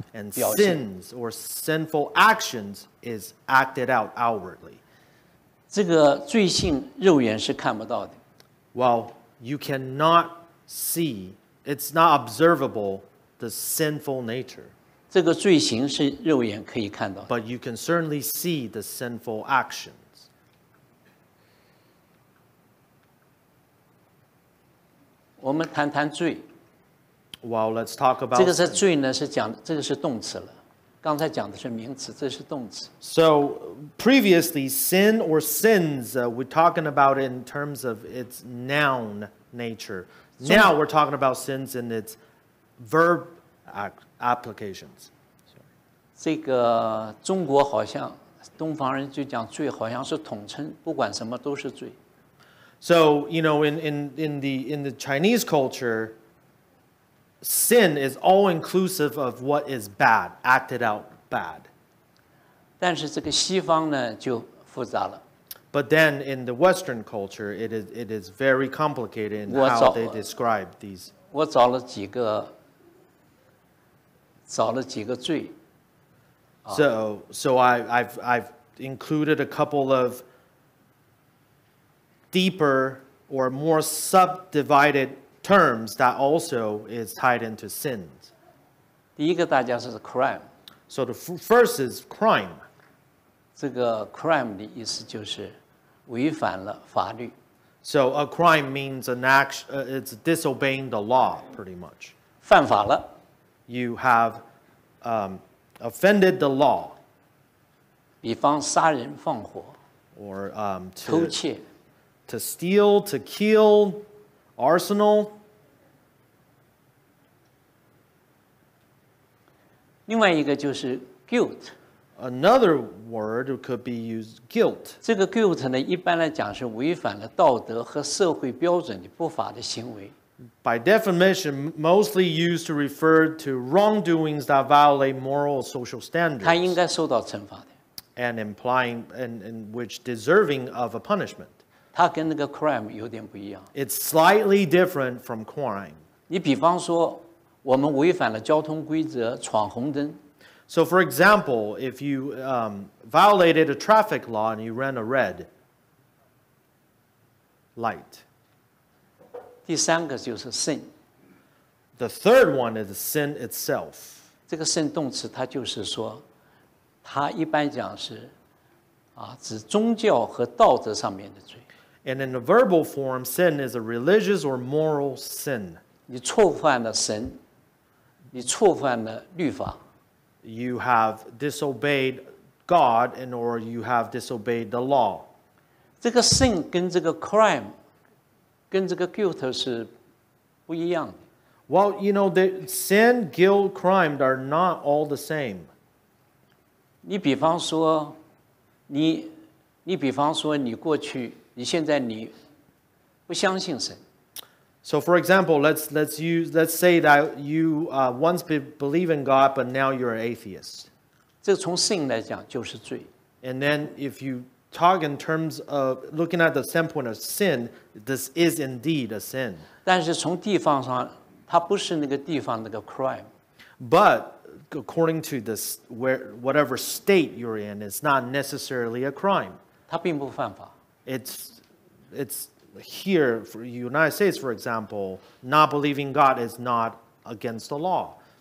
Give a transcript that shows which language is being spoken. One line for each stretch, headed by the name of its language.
English: And sins or sinful actions is acted out outwardly.
Chinese: 这个罪性肉眼是看不到的。
English: Well, you cannot see, it's not observable, the sinful nature.
Chinese: 这个罪行是肉眼可以看到的。
English: But you can certainly see the sinful actions.
Chinese: 我们谈谈罪。
English: Well, let's talk about
Chinese: 这个是罪呢，是讲这个是动词了。刚才讲的是名词，这是动词。
English: So previously, sin or sins, we're talking about it in terms of its noun nature. Now we're talking about sins in its verb applications.
Chinese: 这个中国好像东方人就讲罪，好像是统称，不管什么都是罪。
English: So you know, in the Chinese culture. Sin is all inclusive of what is bad, acted out bad.
Chinese: 但是这个西方呢就复杂了。
English: But then in the Western culture, it is very complicated in how they describe these.
Chinese: 我找了几个罪。
English: So I've included a couple of deeper or more subdivided. Terms that also is tied into sins.
Chinese: 第一个大家是 crime.
English: So the first is crime.
Chinese: 这个 crime 的意思就是违反了法律。
English: So a crime means an action, it's disobeying the law, pretty much.
Chinese: 犯法了。
English: You have offended the law.
Chinese: 比方杀人放火。
English: Or to
Chinese: 偷窃。
English: To steal, to kill. Arsenal.
Chinese: 另外一个就是 guilt.
English: Another word could be used guilt.
Chinese: 这个 guilt 呢，一般来讲是违反了道德和社会标准的不法的行为。
English: By definition, mostly used to refer to wrongdoings that violate moral or social standards.
Chinese: 他应该受到惩罚的。
English: And implying in which deserving of a punishment.
Chinese: 它跟那个 crime 有点不一样。
English: It's slightly different from crime.
Chinese: 你比方说，我们违反了交通规则，闯红灯。
English: So for example, if you violated a traffic law and you ran a red light.
Chinese: 第三个就是 sin.
English: The third one is sin itself.
Chinese: 这个 sin 动词它就是说，它一般讲是指宗教和道德上面的罪。
English: And in a verbal form, sin is a religious or moral sin.
Chinese: 你触犯了神，你触犯了律法。
English: You have disobeyed God and or you have disobeyed the law.
Chinese: 这个 sin 跟这个 crime, 跟这个 guilt 是不一样的。
English: Well, you know, the sin, guilt, crime are not all the same.
Chinese: 你比方说，你比方说你过去你现在你不相信神。
English: So for example, let's say that you once believe in God, but now you're an atheist.
Chinese: 这从sin来讲就是罪。
English: And then if you talk in terms of looking at the standpoint of sin, this is indeed a sin.
Chinese: 但是从地方上，它不是那个地方那个 crime.
English: But according to this, whatever state you're in, it's not necessarily a crime.
Chinese: 它并不犯法。
English: It's here for United States, for example, not believing God is not against the law.